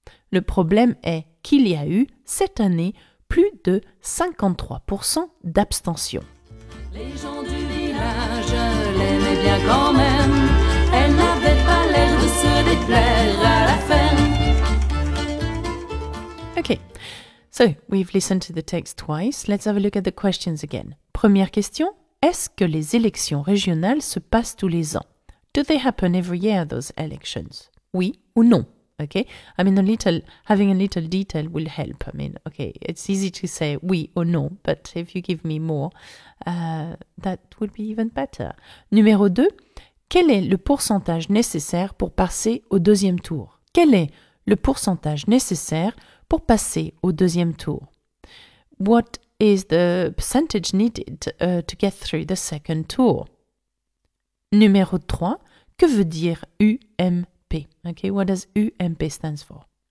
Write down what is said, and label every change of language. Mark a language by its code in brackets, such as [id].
[fr] Le problème est qu'il y a eu, cette année, plus de 53% d'abstention. Les gens du village l'aimaient bien quand même. Elle n'avait pas l'air de se déplaire à la ferme. [en] Okay, so we've listened to the text twice. Let's have a look at the questions again. [fr] Première question. Est-ce que les élections régionales se passent tous les ans? [en] Do they happen every year, those elections? [fr] Oui ou non? [en] Okay. I mean, having a little detail will help. I mean, okay, it's easy to say oui or non, but if you give me more, that would be even better. [fr] Numéro 2. Quel est le pourcentage nécessaire pour passer au deuxième tour? Quel est le pourcentage nécessaire pour passer au deuxième tour? [en] What is the percentage needed to get through the second tour? [fr] Numéro 3, que veut dire UMP? [en] Okay, what does UMP stand for?